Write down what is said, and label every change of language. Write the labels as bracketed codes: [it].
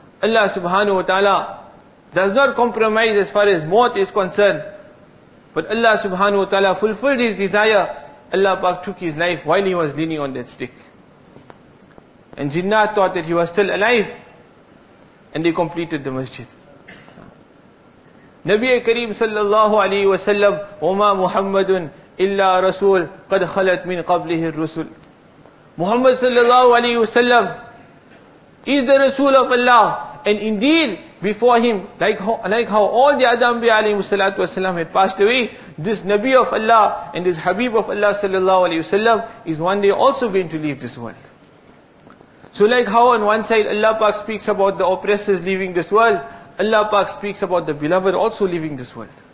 [en] Allah subhanahu wa ta'ala does not compromise as far as maut is concerned. But Allah subhanahu wa ta'ala fulfilled his desire. Allah Pak took his life while he was leaning on that stick. And Jinnah thought that he was still alive. And they completed the masjid. [ar] Nabi Kareem sallallahu alayhi wa sallam, وَمَا مُحَمَّدٌ إِلَّا رَسُولٌ قَدْ خَلَتْ مِنْ قَبْلِهِ الرُّسُولِ. [en] Muhammad sallallahu alayhi wa sallam is the Rasul of Allah. And indeed, before him, like how all the other Anbiya alayhi salatu wasalam had passed away, this Nabi of Allah and this Habib of Allah sallallahu alayhi wasallam is one day also going to leave this world. So like how on one side Allah Pak speaks about the oppressors leaving this world, Allah Pak speaks about the beloved also leaving this world.